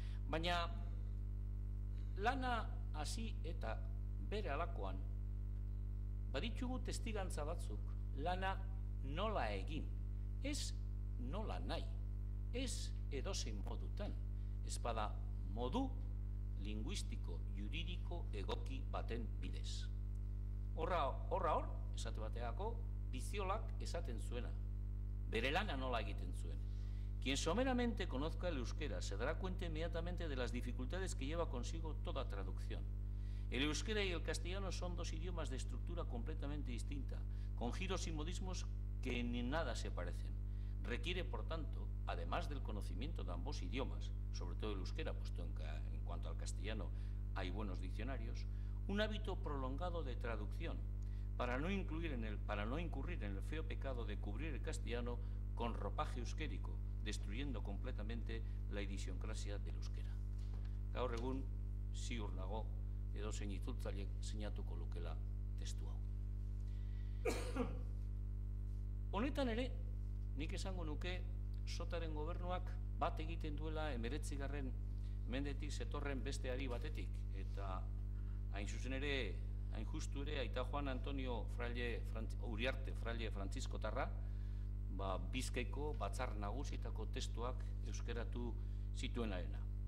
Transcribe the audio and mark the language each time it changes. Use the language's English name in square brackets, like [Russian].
[Basque] Baina lana hasi eta bere alakoan, baditugu testigantza batzuk, lana nola egin, ez nola nahi, ez edozein modutan, ez bada modu linguistiko, juridiko egoki baten bidez. Horra hor, esate bateako, Biziolak esaten zuena, bere lana nola egiten zuen. [Spanish] Quien someramente conozca el euskera se dará cuenta inmediatamente de las dificultades que lleva consigo toda traducción. El euskera y el castellano son dos idiomas de estructura completamente distinta, con giros y modismos que en nada se parecen. Requiere, por tanto, además del conocimiento de ambos idiomas, sobre todo el euskera, puesto que en cuanto al castellano hay buenos diccionarios, un hábito prolongado de traducción para no incurrir en el feo pecado de cubrir el castellano con ropaje euskérico, destruyendo completamente la idiosincrasia del euskera. [Basque] Gaur egun, ziur nago, edo zein itzultzailek sinatuko lukela testu hau. Honetan ere, nik esango nuke, Sotaren gobernuak bat egiten duela 19. mendetik zetorren besteari batetik, eta hain zuzen ere, hain justu ere, aita Juan Antonio Uriarte Fraile Frantzisko tarra, ba, Bizkaiko batzar nagusitako testuak euskeratu zituenarena.